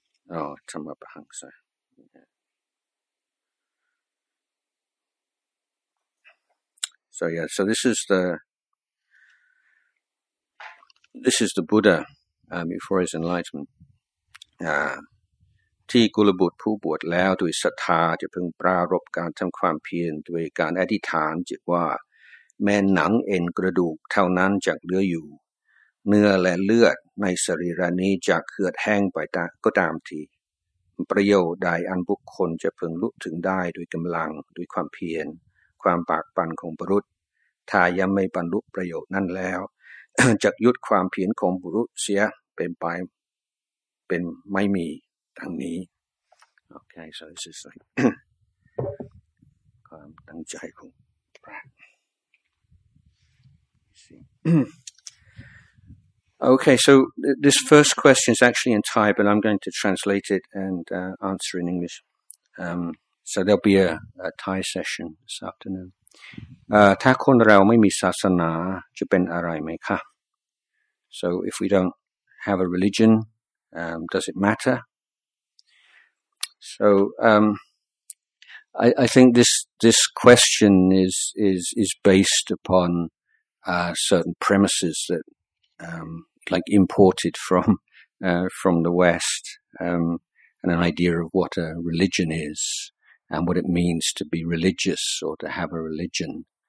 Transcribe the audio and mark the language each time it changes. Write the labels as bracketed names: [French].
[English] Oh, Tamra Bahangsa. So this is the Buddha before his enlightenment. [Thai] ที่กุลบุตรผู้บวชแล้วด้วยศรัทธาจะพึงปรารภการทำความเพียรด้วยการอธิษฐานจิตว่าแม้หนังเอ็นกระดูกเท่านั้นจักเหลืออยู่ เนื้อและเลือดในสรีระนี้จะเคือดแห้งไปก็ตามทีประโยชน์ใดอันบุคคลจะพึงรู้ถึงได้ด้วยกำลังด้วยความเพียรความปากปันของบุรุษถ้ายังไม่บรรลุประโยชน์นั้นแล้ว จักยุดความเพียรของบุรุษเสียเป็นไปเป็นไม่มีดังนี้โอเค [English] so this is like [Thai] ความตั้งใจของพระ [English] Okay, so this first question is actually in Thai, but I'm going to translate it and answer in English. So there'll be a Thai session this afternoon. [Thai] ถ้าคนเราไม่มีศาสนาจะเป็นอะไรไหมคะ [English] So if we don't have a religion, does it matter? So I think this question is based upon certain premises that like imported from the West, and an idea of what a religion is and what it means to be religious or to have a religion.